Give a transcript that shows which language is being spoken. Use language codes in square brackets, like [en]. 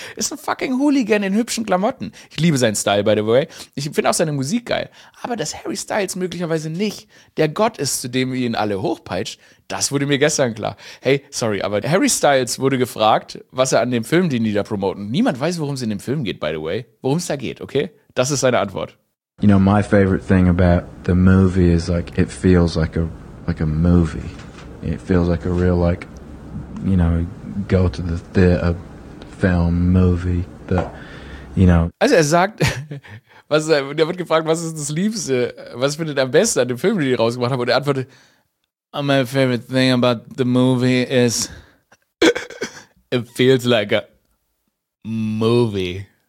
[de] Ist ein fucking Hooligan in hübschen Klamotten. Ich liebe seinen Style, [en] by the way. [de] Ich finde auch seine Musik geil. Aber dass Harry Styles möglicherweise nicht der Gott ist, zu dem ihn alle hochpeitscht, das wurde mir gestern klar. Hey, sorry, aber Harry Styles wurde gefragt, was er an dem Film, den die da promoten. Niemand weiß, worum es in dem Film geht, [en] by the way. [de] Worum es da geht, okay? Das ist seine Antwort. [en] You know, my favorite thing about the movie is like, it feels like a movie. It feels like a real, like, you know, go to the theater. Film, Movie, that, you know. [de] Also er sagt, er wird gefragt, was ist das Liebste, was findet er am besten an dem Film, den ich rausgemacht habe, und er antwortet, [en] my favorite thing about the movie is, it feels like a movie.